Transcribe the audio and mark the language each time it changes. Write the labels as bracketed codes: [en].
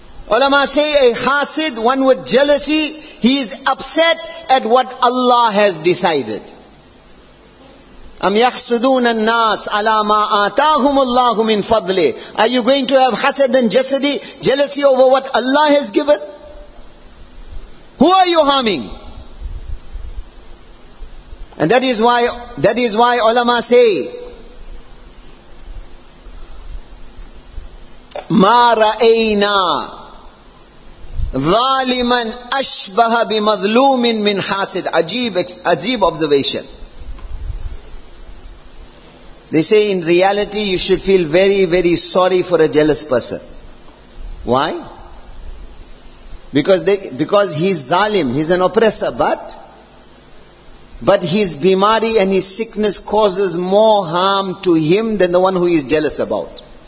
[en] Ulama say a hasid, one with jealousy, he is upset at what Allah has decided. [ar] أَمْ يَحْسُدُونَ النَّاسِ عَلَىٰ مَا آتَاهُمُ اللَّهُ مِنْ فَضْلِ. [en] Are you going to have hasad and jasadi, jealousy over what Allah has given? Who are you harming? And that is why ulama say, [ar] مَا رَأَيْنَا ظَالِمًا أَشْبَهَ بِمَظْلُومٍ مِنْ حَاسِدٍ. [en] Ajib observation. They say in reality you should feel very, very sorry for a jealous person. Why? Because he's zalim, he's an oppressor, but his bimari and his sickness causes more harm to him than the one who he's jealous about.